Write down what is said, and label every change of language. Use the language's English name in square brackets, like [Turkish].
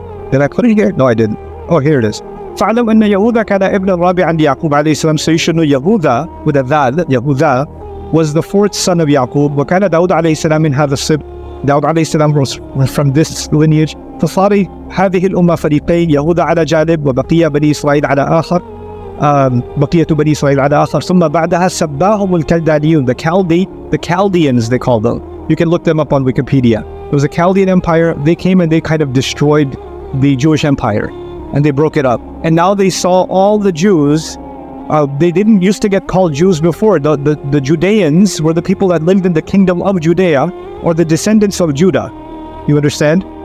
[English] Did I put it here? No, I didn't. Oh, here it is. [Arabic] فَعْلَمْ أَنَّ يَهُوذَا كَانَ إِبْنَ الرَّابِعَ عَنْدِ يَعْقُوبَ عَلَيْهِ السَّلَامِ [English] So you should know Yehuda, with a dhal, Yehuda, was the fourth son of Yaqub. [Arabic] وَكَانَ دَوْدَ عَلَيْهِ السَّلَامِ مِنْ هَذَا السِّبْ [English] Dawud alayhi salam was from this lineage. [Arabic] فَصَارِ هَذِهِ الْأُمَّةِ فَرِيقَيْنِ يَهُوذَا عَلَى جَانِبْ وَبَقِيَّ بَنِي إِسْرَائِيلَ عَلَى آخَرْ بَقِيَّةُ بَنِي إِسْرَائِيلَ عَلَى آخَرْ ثُمَّ بَعْدَهَا سَبَّاهُمُ الْكَلْدَانِيُونَ [English] The Chaldeans, they called them. You can look them up on Wikipedia. It was a Chaldean empire. They came and they kind of destroyed the Jewish empire, and they broke it up. And now they saw all the Jews. They didn't used to get called Jews before. The Judeans were the people that lived in the kingdom of Judea, or the descendants of Judah. You understand?